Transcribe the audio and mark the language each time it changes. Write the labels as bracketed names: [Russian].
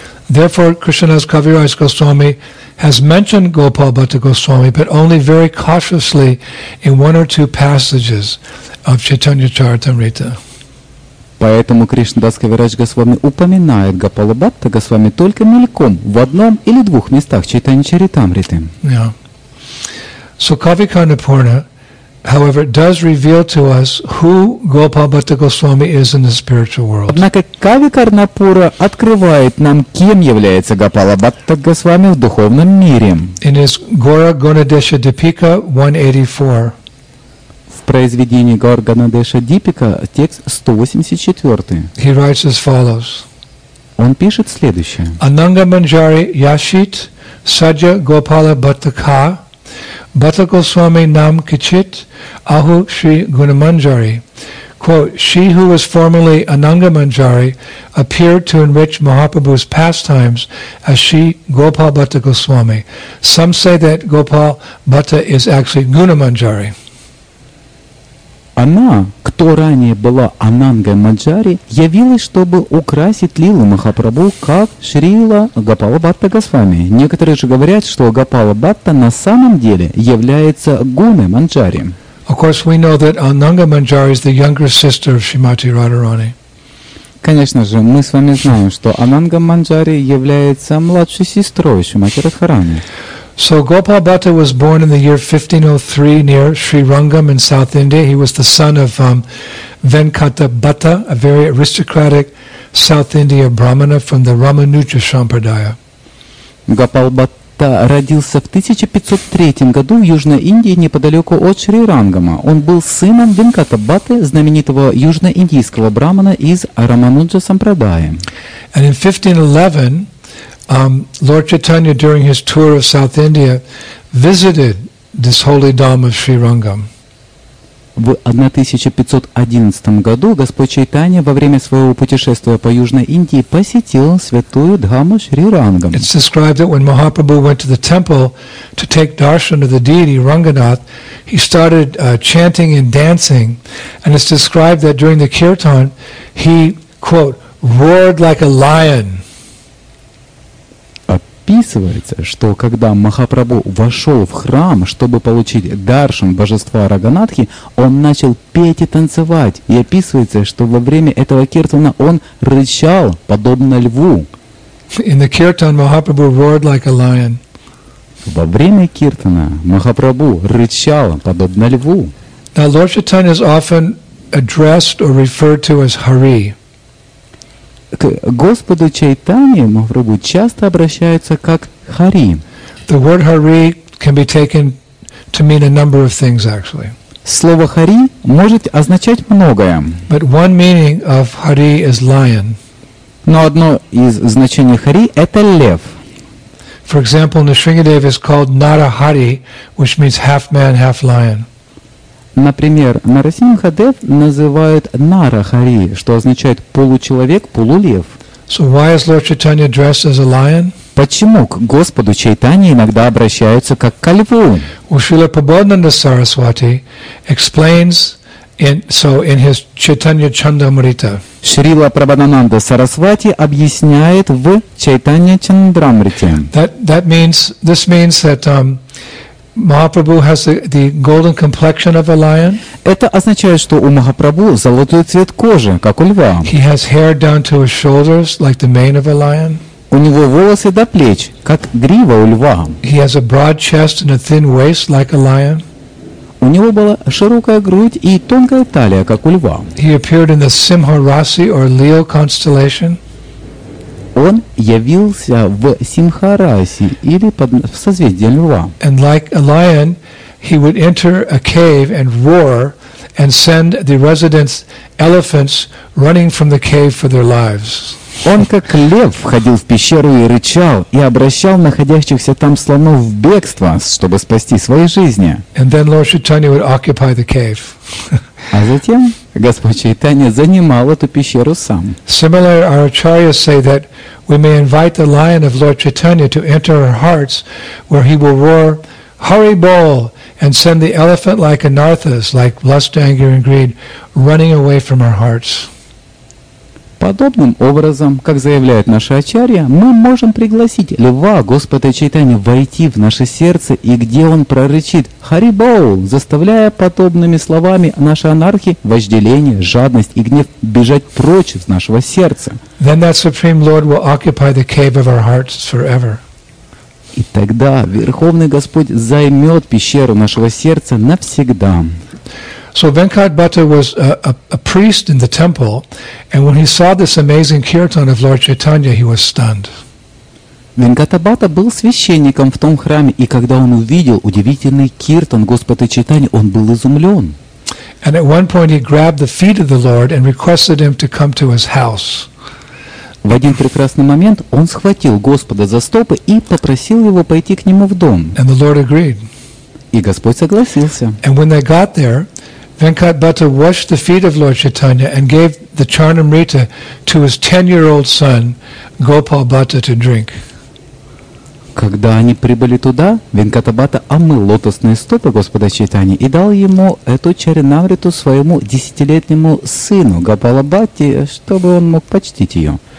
[English] Therefore, Krishnadas Kaviraj Goswami has mentioned Gopal Bhatta Goswami, but only very cautiously in one or two passages of Chaitanya Charitamrita. [Russian] Поэтому Кришнадас Кавирадж Госвами упоминает Гопала Бхатта Госвами только мельком в одном или двух местах Чайтанья Чаритамриты. [English] Yeah. So Kavi Karnapurna, however, does reveal to us who Gopala Bhatta Goswami is in the spiritual world. [Russian] Однако Кави Карнапура открывает нам, кем является Гопала Бхатта Госвами в духовном мире. [English] In his Gaura Gonadesha Deepika 184. [Russian] В произведении Гаура Ганадеша Дипика, текст 184. [English] He writes as follows. [Russian] Он пишет следующее. [Sanskrit] Ananga Manjari Yashit Sajya Gopala Bhattaka Bhatta Goswami Nam Kichit Ahu Shri Gunamanjari. [English] Quote, she who was formerly Ananga Manjari appeared to enrich Mahaprabhu's pastimes as she Gopala Bhatta Goswami. Some say that Gopala Bhatta is actually Gunamanjari. [Russian] Она, кто ранее была Анангой Манджари, явилась, чтобы украсить Лилу Махапрабху, как Шрила Гопала Бхатта Госвами. Некоторые же говорят, что Гопала Бхатта на самом деле является Гуной Манджари. [English] Of course, we know that Ananga Manjari is the younger sister of Srimati Radharani. [Russian] Конечно же, мы с вами знаем, что Ананга Манджари является младшей сестрой Шримати Радхарани. [English] So Gopala Bhatta was born in the year 1503 near Sri Rangam in South India. He was the son of Venkata Bhatta, a very aristocratic South India Brahmana from the Ramanuja Sampradaya. [Russian] Gopala Bhatta родился в 1503 году в Южной Индии неподалеку от Шри Рангама. Он был сыном Венката Бхатты, знаменитого южноиндийского брамана из Рамануджа Сампрадая. [English] And in 1511, Lord Chaitanya, during his tour of South India, visited this holy dhamma of Sri Rangam. [Russian] В 1511 году Господь Чайтанья во время своего путешествия по Южной Индии посетил святую дхамму Шри Рангам. [English] It's described that when Mahaprabhu went to the temple to take darshan of the deity Ranganath, he started chanting and dancing, and it's described that during the kirtan, he, quote, roared like a lion. [Russian] описывается, что когда Махапрабху вошел в храм, чтобы получить даршан божества Раганатхи, он начал петь и танцевать. И описывается, что во время этого киртана он рычал, подобно льву. [English] In the kirtan, Mahaprabhu roared like a lion. [Russian] Во время киртана Махапрабху рычал, подобно льву. [English] Now, Lord Chaitanya is often addressed or referred to as Hari. [Russian] К Господу Чайтанье Махапрабху часто обращаются как Хари. [English] The word Hari can be taken to mean a number of things, actually. [Russian] Слово Хари может означать многое. [English] But one meaning of Hari is lion. [Russian] Но одно из значений Хари – это лев. [English] For example, Нрисингхадев is called Нарахари, which means half man, half lion. [Russian] Например, Нарасимхадев называют Нарахари, что означает получеловек, полулев. [English] So why is Lord Chaitanya dressed as a lion? [Russian] Почему к Господу Чайтанье иногда обращаются как ко льву? [English] Шрила Прабхупада Сарасвати explains in his Chaitanya Chandramrita. [Russian] Шрила Прабхупада Сарасвати объясняет в Чайтанья Чандрамрите. [English] Mahaprabhu has the golden complexion of a lion. [Russian] Это означает, что у Махапрабху золотой цвет кожи, как у льва. [English] He has hair down to his shoulders, like the mane of a lion. [Russian] У него волосы до плеч, как грива у льва. [English] He has a broad chest and a thin waist, like a lion. [Russian] У него была широкая грудь и тонкая талия, как у льва. [English] He appeared in the Simha Rasi or Leo constellation. [Russian] Он явился в Симхараси или в созвездии льва. [English] And like a lion, he would enter a cave and roar and send the residents elephants running from the cave for their lives. [Russian] Он как лев входил в пещеру и рычал и обращал находящихся там слонов в бегство, чтобы спасти свои жизни. [English] And then Lord Chaitanya would occupy the cave. [Russian] А затем Господь Чайтанья занимал эту пещеру сам. [English] Similar, our acharyas say that we may invite the lion of Lord Chaitanya to enter our hearts, where he will roar, "Hari Bol," and send the elephant like a Narthas, like lust, anger, and greed, running away from our hearts. [Russian] Подобным образом, как заявляет наша ачарья, мы можем пригласить льва Господа Чайтанья войти в наше сердце, и где он прорычит «Хари Боу», заставляя подобными словами наши анархи, вожделение, жадность и гнев бежать прочь из нашего сердца. [English] Then that Supreme Lord will occupy the cave of our hearts forever. [Russian] И тогда Верховный Господь займет пещеру нашего сердца навсегда. [English] So Venkat Bhatta was a priest in the temple, and when he saw this amazing kirtan of Lord Chaitanya, he was stunned. [Russian] Venkat Bhatta был священником в том храме, и когда он увидел удивительный киртан Господа Чайтаньи, он был изумлен. [English] And at one point he grabbed the feet of the Lord and requested him to come to his house. [Russian] В один прекрасный момент он схватил Господа за стопы и попросил его пойти к нему в дом. [English] And the Lord agreed. [Russian] И Господь согласился. [English] And when they got there, Venkat Bhatta washed the feet of Lord Chaitanya and gave the Charnamrita to his 10-year-old son, Gopal Bhatta, to drink. [Russian] Когда они прибыли туда, Венкат Бхатта омыл лотосные стопы Господа Чайтаньи и дал ему эту чаринамриту своему 10-летнему сыну, Гопала Бхатте, чтобы он мог почтить ее.